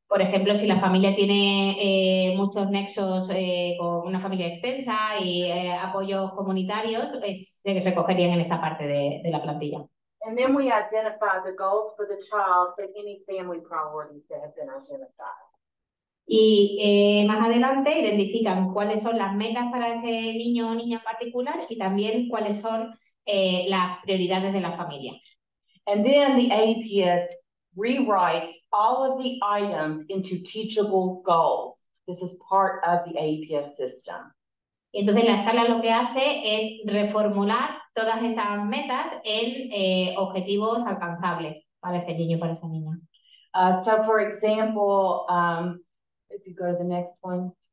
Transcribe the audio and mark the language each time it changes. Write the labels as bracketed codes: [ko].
[es] Por ejemplo, si la familia tiene muchos nexos con una familia extensa y apoyos comunitarios, se recogerían en esta parte de la plantilla. [en] And then we identify the goals for the child for any family priorities that have been identified. [es] Y más adelante identifican cuáles son las metas para ese niño o niña en particular y también cuáles son las prioridades de la familia. [en] And then the APS rewrites all of the items into teachable goals. This is part of the APS system. [es] Y entonces la escala lo que hace es reformular todas estas metas en objetivos alcanzables para ese niño y para esa niña. [en] So for example, if you go to the next one.